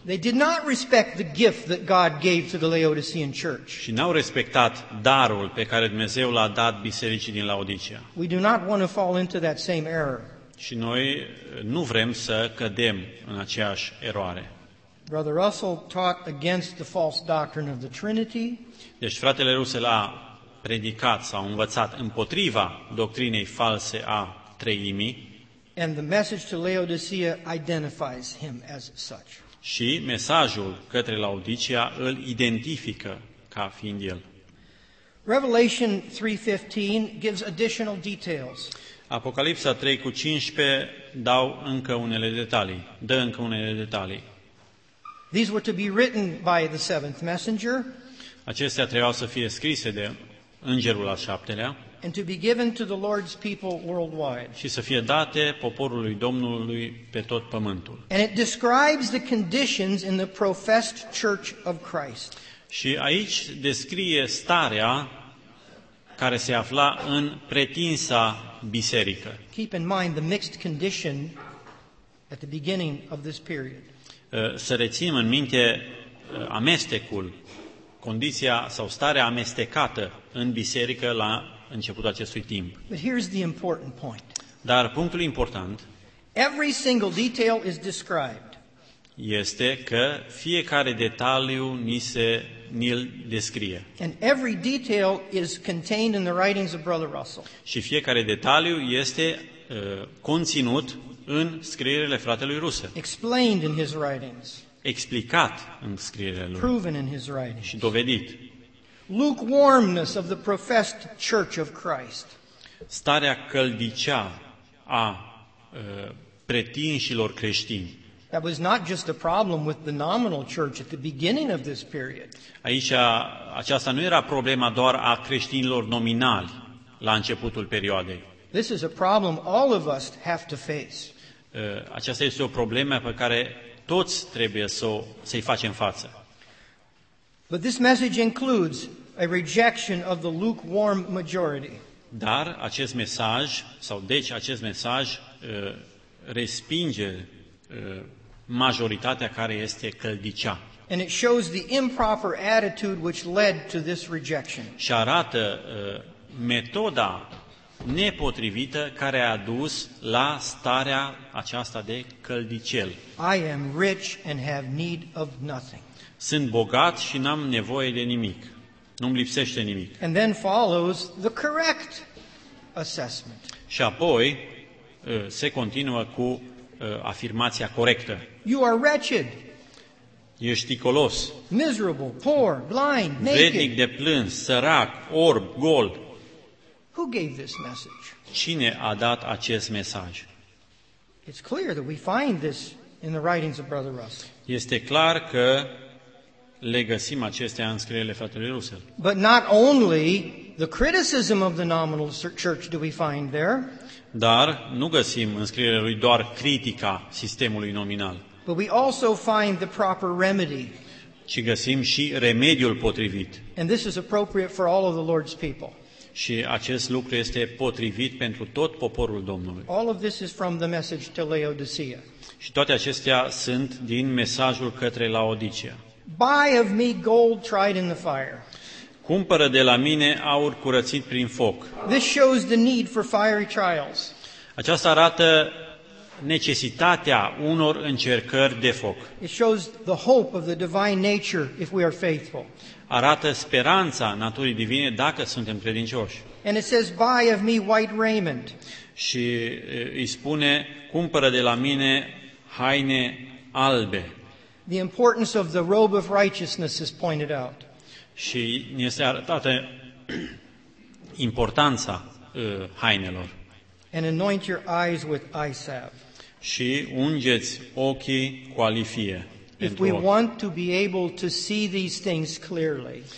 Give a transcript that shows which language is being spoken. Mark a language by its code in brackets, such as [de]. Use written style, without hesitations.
[en] They did not respect the gift that God gave to the Laodicean church. [ro] Și n-au respectat darul pe care Dumnezeu l-a dat bisericii din Laodicea. [en] We do not want to fall into that same error. [ro] Și noi nu vrem să cădem în aceeași eroare. [en] Brother Russell taught against the false doctrine of the Trinity. [ro] Deci fratele Russell a predicat sau a învățat împotriva doctrinei false a treimii. [en] And the message to Laodicea identifies him as such. [ro] Și mesajul către Laodicea îl identifică ca fiind el. [en] Revelation 3:15 gives additional details. [ro] Apocalipsa 3:15 dau încă unele detalii. Dă încă unele detalii. [en] These were to be written by the seventh messenger. [ro] Acestea trebuiau să fie scrise de îngerul al șaptelea. [en] And to be given to the Lord's people worldwide. [ro] Și să fie date poporului Domnului pe tot pământul. [en] And it describes the conditions in the professed church of Christ. [ro] Și aici descrie starea care se afla în pretinsa biserică. [en] Keep in mind the mixed condition at the beginning of this period. [ro] Să rețin în minte amestecul, condiția sau starea amestecată în biserică la începutul acestui timp. [en] But here's the important point. [ro] Dar punctul important. [en] Every single detail is described. [ro] Este că fiecare detaliu ni-l descrie. [en] And every detail is contained in the writings of Brother Russell. [ro] Și fiecare detaliu este conținut în scrierile fratelui Russell. [en] Explained in his writings. [ro] Explicat în scrierile lui. [en] Proven in his writings. [ro] Și dovedit. [en] Lukewarmness of the professed church of Christ. [ro] Starea căldicea a pretinșilor creștini. [en] That was not just a problem with the nominal church at the beginning of this period. [ro] Aici aceasta nu era problema doar a creștinilor nominali la începutul perioadei. [en] This is a problem all of us have to face. [ro] Aceasta este o problemă pe care toți trebuie să-i facem față. [en] But this message includes a rejection of the lukewarm majority. [ro] Dar acest mesaj, sau deci acest mesaj, respinge majoritatea care este căldicea. [en] And it shows the improper attitude which led to this rejection. [ro] Și arată metoda nepotrivită care a dus la starea aceasta de căldicel. [en] I am rich and have need of nothing. [ro] Sunt bogat și n-am nevoie de nimic. Nu-mi lipsește nimic. [en] And then follows the correct assessment. [ro] Și apoi se continuă cu afirmația corectă. [en] You are wretched. [ro] Ești ticolos. [en] Miserable, poor, blind, naked. [ro] Vrednic de plâns, sărac, orb, gol. [en] Who gave this message? [ro] Cine a dat acest mesaj? [en] It's clear that we find this in the writings of Brother Russell. [ro] Este clar că le găsim acestea în scrierile fratelui Russell. [en] But not only the criticism of the nominal church do we find there. [ro] Dar nu găsim în scrierile lui doar critica sistemului nominal. [en] But we also find the proper remedy. [ro] Ci găsim și remediul potrivit. [en] And this is appropriate for all of the Lord's people. [ro] Și acest lucru este potrivit pentru tot poporul Domnului. [en] All of this is from the message to Laodicea. [ro] Și toate acestea sunt din mesajul către Laodicea. [en] Buy of me gold tried in the fire. [ro] Cumpără de la mine aur curățit prin foc. [en] This shows the need for fiery trials. [ro] Aceasta arată necesitatea unor încercări de foc. [en] It shows the hope of the divine nature if we are faithful. [ro] Arată speranța naturii divine dacă suntem credincioși. [en] And it says, buy of me white raiment. [ro] Și îi spune, cumpără de la mine haine albe. [en] The importance of the robe of righteousness is pointed out. [ro] Și este arătată importanța hainelor. [en] And anoint your eyes with eye salve. [ro] Și ungeți ochii cu alifie. [en] If we want to be able to see these things clearly.